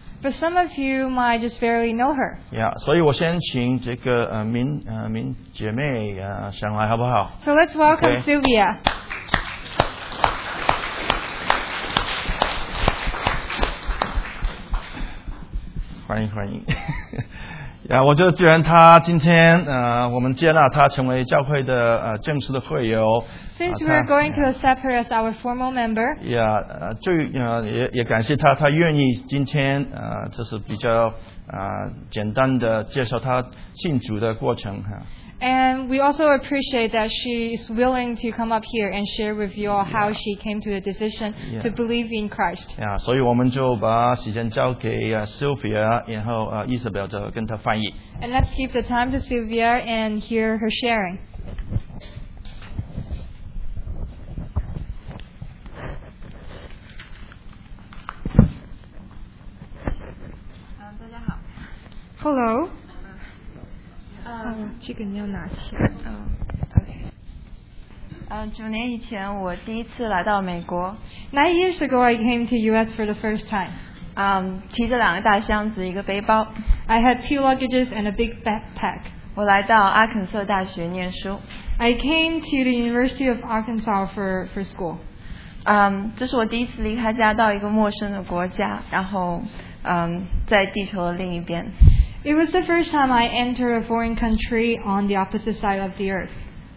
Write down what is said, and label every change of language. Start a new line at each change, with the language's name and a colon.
English: But some of you might just barely know her.
Chinese: So 我先请这个明姐妹上来好不好？
English: So let's welcome Sylvia.
Chinese: Okay. 欢迎。我就既然她今天我们接纳她成为教会的正式的会友。
English: Since we are going to accept her as our formal member.
Chinese: 也感谢她，她愿意今天就是比较简单的介绍她信主的过程。
English: And we also appreciate that she is willing to come up here and share with you all how she came to the decision to believe in Christ.
Chinese: 所以我们就把时间交给Sylvia, 然后Isabel 就跟她翻译。
English: And let's give the time to Sylvia and hear her sharing. Hello.
Chinese: 这个你要拿起来。
English: OK。
Chinese: 九年以前我第一次来到美国。
English: 9 years ago I came to US for the first time。
Chinese: 提着两个大箱子一个背包。
English: I had 2 luggages and a big backpack。
Chinese: 我来到阿肯色大学念书。
English: I came to the University of Arkansas for school。
Chinese: 这是我第一次离开家到一个陌生的国家，然后在地球的另一边。
English: It was the first time I entered a foreign country on the opposite side of the earth.